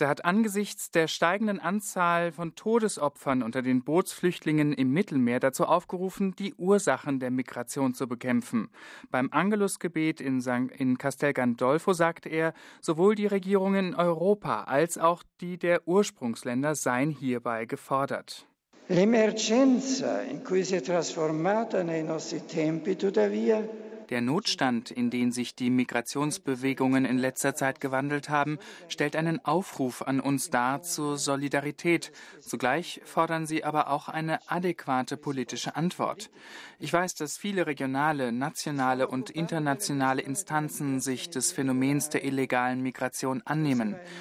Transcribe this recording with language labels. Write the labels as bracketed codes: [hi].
[de] Hat angesichts der steigenden Anzahl von Todesopfern unter den Bootsflüchtlingen im Mittelmeer dazu aufgerufen, die Ursachen der Migration zu bekämpfen. Beim Angelusgebet in Castel Gandolfo sagte er, sowohl die Regierungen in Europa als auch die der Ursprungsländer seien hierbei gefordert. [it] L'emergenza in cui si è trasformata nei nostri tempi, tuttavia. [de] Der Notstand, in den sich die Migrationsbewegungen in letzter Zeit gewandelt haben, stellt einen Aufruf an uns dar zur Solidarität. Zugleich fordern sie aber auch eine adäquate politische Antwort. Ich weiß, dass viele regionale, nationale und internationale Instanzen sich des Phänomens der illegalen Migration annehmen.